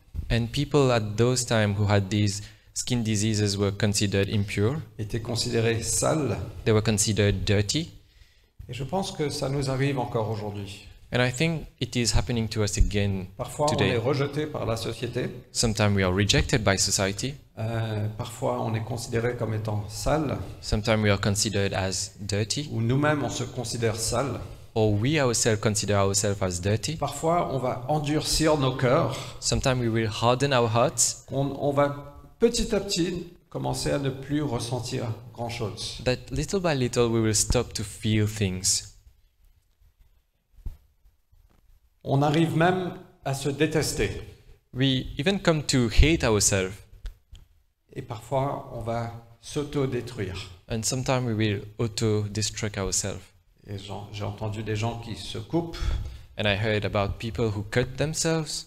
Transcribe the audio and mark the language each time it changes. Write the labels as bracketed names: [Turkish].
[English] And people at those time who had these skin diseases were considered impure. [French] Étaient considérées sales. [English] They were considered dirty. [French] Et je pense que ça nous arrive encore aujourd'hui. [English] And I think it is happening to us again [French] parfois [English] today. [French] On est rejeté par la société. [English] Sometimes we are rejected by society. [French] Parfois on est considéré comme étant sale. [English] Sometimes we are considered as dirty. [French] Ou nous-mêmes on se considère sale. [English] Or we ourselves consider ourselves as dirty. [French] Parfois on va endurcir nos cœurs. [English] Sometimes we will harden our hearts. [French] On va petit à petit commencer à ne plus ressentir grand-chose. [English] That little by little we will stop to feel things. [French] On arrive même à se détester. [English] We even come to hate ourselves. [French] Et parfois, on va s'auto-détruire. [English] And sometimes we will auto-destruct ourselves. [French] Et j'ai entendu des gens qui se coupent. [English] And I heard about people who cut themselves.